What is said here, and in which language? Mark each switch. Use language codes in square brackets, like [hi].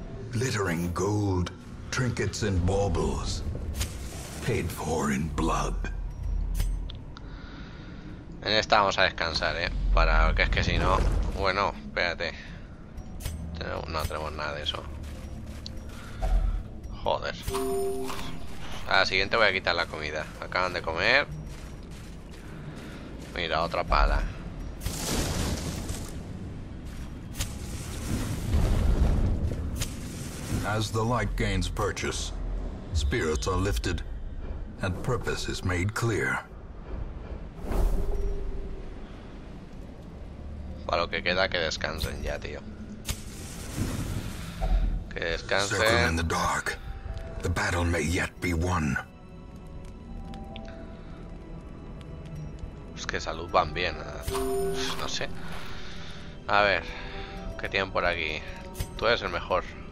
[en] Glittering gold, trinkets and baubles, paid for in blood. [es] En esta vamos a descansar, para que es que si no, bueno, espérate, no tenemos nada de eso. Joder. A la siguiente voy a quitar la comida. Acaban de comer. Mira, otra pala. [en] As the light gains purchase, spirits are lifted, and purpose is made clear. [es] Para lo que queda, que descansen ya, tío. Que descansen. [en] Circle in the dark. The battle may yet be won. [es] Es que salud van bien. No sé. A ver, ¿qué tienen por aquí? Tú eres el mejor.